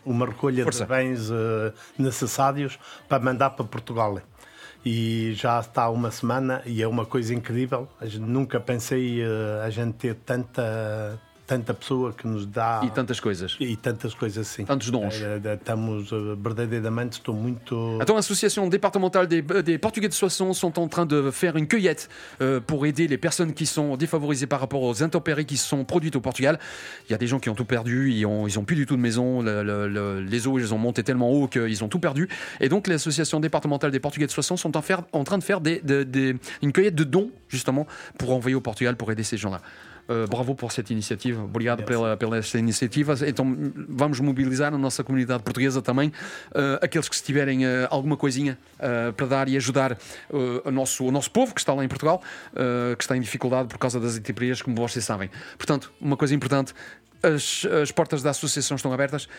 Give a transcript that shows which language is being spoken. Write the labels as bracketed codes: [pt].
[pt] Uma recolha de bens necessários para mandar para Portugal. E já está há uma semana e é uma coisa incrível. A gente, nunca pensei a gente ter tanta pessoa que nos dá. E tantas coisas. E tantas coisas, sim. Tantos dons. Estamos verdadeiramente, estou muito. Então, a Associação Departamental [fr] des Portugais de Soissons sont en train de faire une cueillette pour aider les personnes qui sont défavorisées par rapport aux intempéries qui se sont produites au Portugal. Il y a des gens qui ont tout perdu, ils ont plus du tout de maison, les eaux, elles ont monté tellement haut qu'ils ont tout perdu. Et donc, l'Association Départementale des Portugais de Soissons sont en train de faire une cueillette de dons, justement, pour envoyer au Portugal pour aider ces gens-là. [pt] Bravo por esta iniciativa. Obrigado pela esta iniciativa. Então vamos mobilizar a nossa comunidade portuguesa também, aqueles que se tiverem alguma coisinha para dar e ajudar o nosso povo que está lá em Portugal, que está em dificuldade por causa das intemperias, como vocês sabem. Portanto, uma coisa importante, as portas da associação estão abertas.